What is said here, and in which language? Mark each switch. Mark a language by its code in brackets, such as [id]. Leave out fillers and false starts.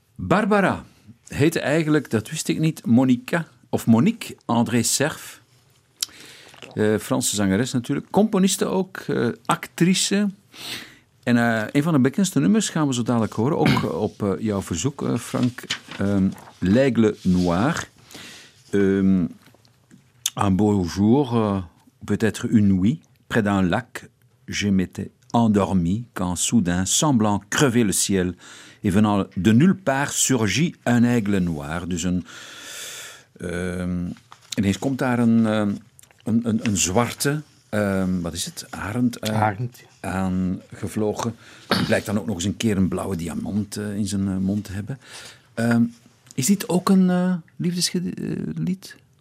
[nl] Barbara heette eigenlijk, dat wist ik niet, Monique André Cerf. Franse zangeres natuurlijk, componiste ook, actrice. En een van de bekendste nummers gaan we zo dadelijk horen, ook op jouw verzoek, Frank. L'Aigle Noir. [fr] Un beau jour, peut-être une nuit, près d'un lac, je m'étais endormi quand soudain, semblant crever le ciel, et venant de nulle part, surgit un aigle noir. [nl] Dus ineens komt daar een zwarte, wat is het, arend, aangevlogen. Blijkt dan ook nog eens een keer een blauwe diamant in zijn mond te hebben. Is dit ook een liefdeslied?